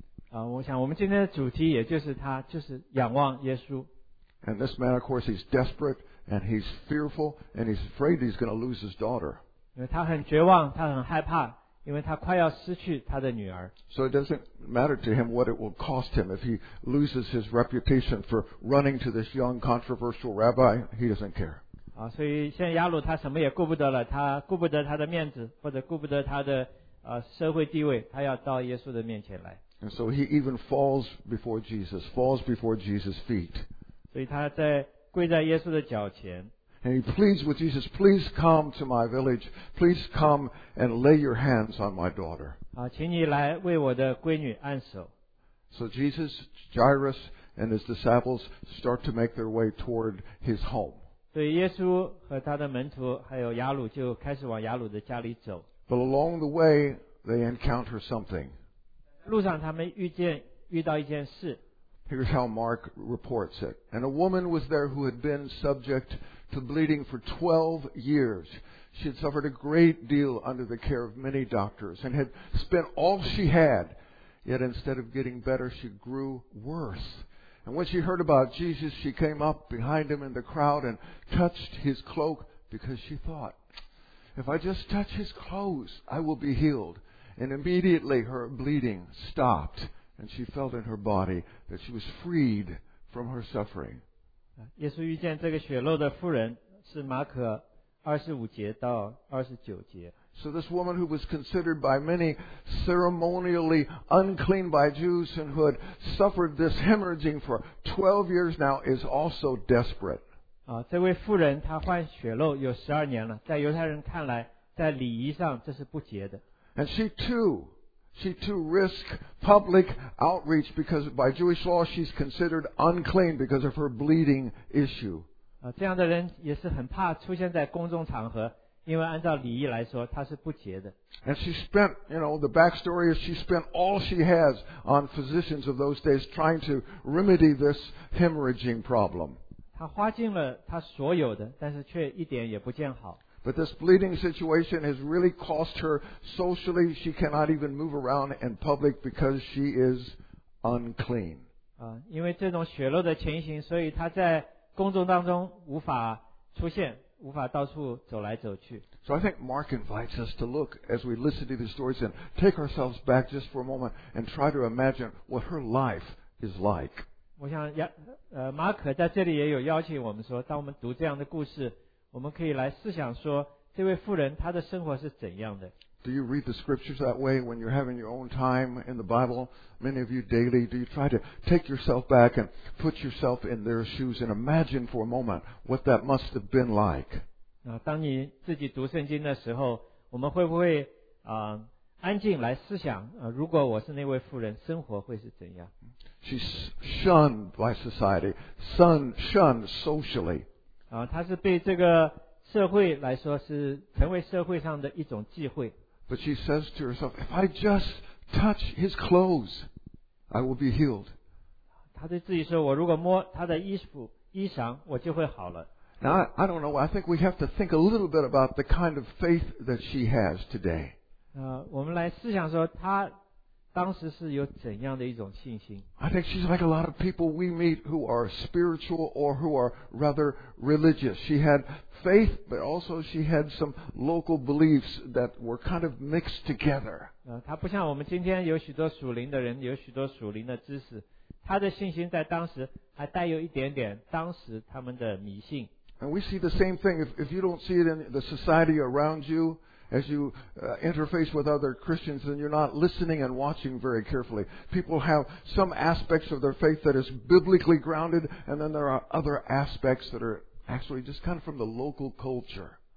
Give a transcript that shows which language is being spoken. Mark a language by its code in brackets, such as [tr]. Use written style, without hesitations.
[zh] 我想我们今天的主题也就是他，就是仰望耶稣。 [en] And this man, of course, he's desperate and he's fearful and he's afraid he's going to lose his daughter. [zh] 因为他很绝望，他很害怕，因为他快要失去他的女儿。 [en] So it doesn't matter to him what it will cost him if he loses his reputation for running to this young controversial rabbi. He doesn't care. [zh] 所以现在雅鲁他什么也顾不得了，他顾不得他的面子，或者顾不得他的社会地位，他要到耶稣的面前来。 [en] And so he even falls before Jesus' feet. [zh] 所以他在跪在耶稣的脚前。 [en] And he pleads with Jesus, "Please come to my village. Please come and lay your hands on my daughter." [zh] 请你来为我的闺女按手。 [en] So Jesus, Jairus, and his disciples start to make their way toward his home. [zh] 所以耶稣和他的门徒还有雅鲁就开始往雅鲁的家里走。 [en] But along the way, they encounter something. [zh] 路上他们遇到一件事。 [en] Here's how Mark reports it. And a woman was there who had been subject to bleeding for 12 years. She had suffered a great deal under the care of many doctors and had spent all she had. Yet instead of getting better, she grew worse. And when she heard about Jesus, she came up behind him in the crowd and touched his cloak because she thought, if I just touch his clothes, I will be healed. And immediately her bleeding stopped. And she felt in her body that she was freed from her suffering. [zh] 耶稣遇见这个血漏的妇人是马可25节到29节。 [en] So this woman who was considered by many ceremonially unclean by Jews and who had suffered this hemorrhaging for 12 years now is also desperate. [zh] 这位妇人她患血漏有12年了，在犹太人看来，在礼仪上这是不洁的。 [en] And she too risks public outreach because by Jewish law she's considered unclean because of her bleeding issue. [zh] 这样的人也是很怕出现在公众场合，因为按照礼仪来说她是不洁的。 [en] And she spent, you know, the backstory is she spent all she has on physicians of those days trying to remedy this hemorrhaging problem. [zh] 她花尽了她所有的，但是却一点也不见好。 [en] But this bleeding situation has really cost her socially. She cannot even move around in public because she is unclean. [zh] 因为这种血漏的情形，所以她在公众当中无法出现，无法到处走来走去。 [en] So I think Mark invites us to look as we listen to these stories and take ourselves back just for a moment and try to imagine what her life is like. [zh] 我想马可在这里也有邀请我们说，当我们读这样的故事，我们可以来思想说，这位妇人她的生活是怎样的。 [en] Do you read the scriptures that way when you're having your own time in the Bible? Many of you daily, do you try to take yourself back and put yourself in their shoes and imagine for a moment what that must have been like? [zh] 当你自己读圣经的时候，我们会不会安静来思想，如果我是那位妇人，生活会是怎样？ [en] She's shunned by society, shunned socially. [zh] 她是被这个社会来说是成为社会上的一种忌讳。 [en] But she says to herself, if I just touch his clothes, I will be healed. [zh] 她对自己说，我如果摸他的衣裳，我就会好了。 [en] Now, I don't know, I think we have to think a little bit about the kind of faith that she has today. [zh] 我们来思想说，她当时是有怎样的一种信心。 [en] I think she's like a lot of people we meet who are spiritual or who are rather religious. She had faith, but also she had some local beliefs that were kind of mixed together. [zh] 她不像我们今天有许多属灵的人，有许多属灵的知识。她的信心在当时还带有一点点当时他们的迷信。 [en] And we see the same thing if you don't see it in the society around you,As you interface with other Christians, then you're not listening and watching very carefully. People have some aspects of their faith that is biblically grounded, and then there are other aspects that are actually just kind of from the local culture.